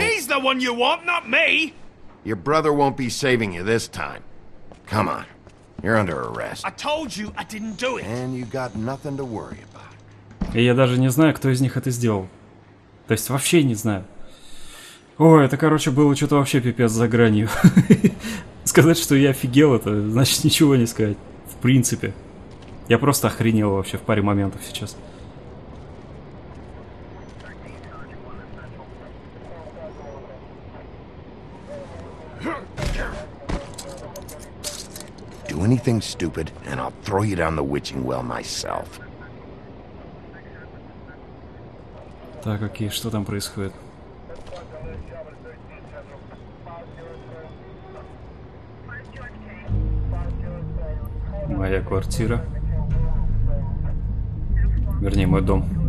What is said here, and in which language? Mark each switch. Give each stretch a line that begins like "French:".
English: He's the one you want, not me. Your brother won't be saving you this time. Come on. You're under arrest. I told you I didn't do it. And you got nothing to worry about.
Russian: И я даже не знаю, кто из них это сделал. То есть вообще не знаю. Ой, это, короче, было что-то вообще пипец за гранью. Сказать, что я офигел, это значит ничего не сказать. В принципе. Я просто охренел вообще в паре моментов сейчас.
English: Do anything stupid, and I'll throw you down the witching well myself.
Russian: Так, окей, что там происходит? Моя квартира. Вернее, мой дом.